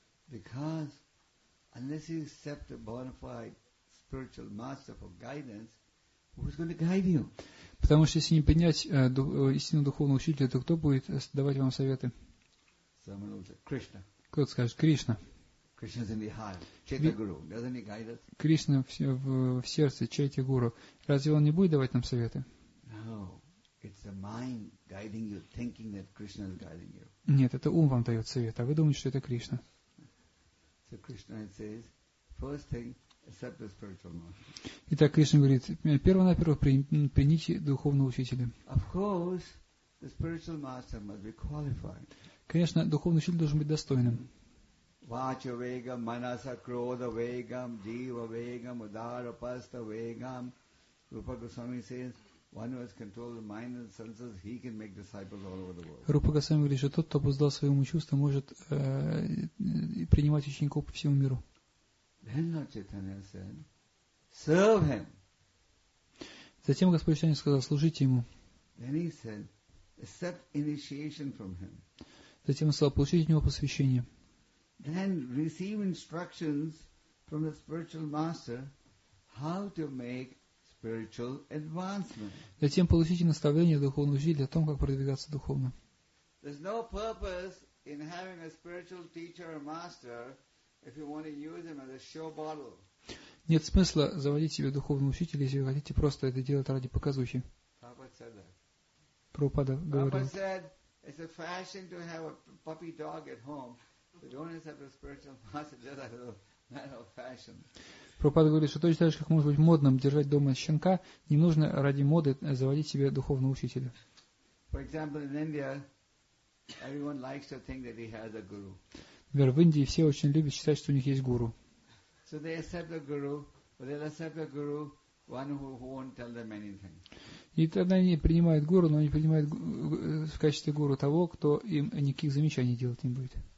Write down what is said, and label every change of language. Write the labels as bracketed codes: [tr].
[en] Because unless you accept a bona fide spiritual master for guidance, who's going to guide you? [ru] Потому что если не принять истинного духовного учителя, то кто будет давать вам советы? Кришна. Кто-то скажет, Кришна. [en] Krishna's in the heart. Chaitaguru. Doesn't he guide us? [ru] Кришна в сердце, Чайтагуру. Разве он не будет давать нам советы? [en] No. It's the mind guiding you, thinking that Krishna is guiding you. [ru] Нет, это ум вам дает совет, а вы думаете, что это Кришна. [en] So Krishna says, first thing, accept the spiritual master. [ru] Итак, Кришна говорит, первонаперво примите духовного учителя. [en] Of course, the spiritual master must be qualified. [ru] Конечно, духовный учитель должен быть достойным. [sa] Vacha vegam, manasa krodha vegam, jiva vegam, udara pastha vegam. [en] Rupa Goswami says, one who has controlled the mind and senses, he can make disciples all over the world. [ru] Рупа Госвами говорит, что тот, кто обуздал своим чувством, может принимать учеников по всему миру. [en] Then Lord Chaitanya said, serve him. [ru] Затем Господь Чайтанья сказал, служите ему. [en] Then he said, accept initiation from him. [ru] Затем он сказал, получите от него посвящение. [en] Then receive instructions from the spiritual master how to make spiritual advancement. [ru] Затем получите наставление духовного учителя о том, как продвигаться духовно. [en] There's no purpose in having a spiritual teacher or master if you want to use him as a show bottle. [ru] Нет смысла заводить себе духовного учителя, если вы хотите просто это делать ради показухи. Прабхупада говорил. [en] Prabhupada said, it's a fashion to have a puppy dog at home. So don't accept a spiritual master just as a matter of fashion. [ru] Прабхупада говорит, что точно так же, как может быть модным держать дома щенка, не нужно ради моды заводить себе духовного учителя. [en] For example, in India, everyone likes to think that he has a guru. [ru] Например, в Индии все очень любят считать, что у них есть гуру. [en] So they accept a guru, but they'll accept a guru, one who won't tell them anything. [ru] И тогда они принимают гуру, но они принимают в качестве гуру того, кто им никаких замечаний делать не будет.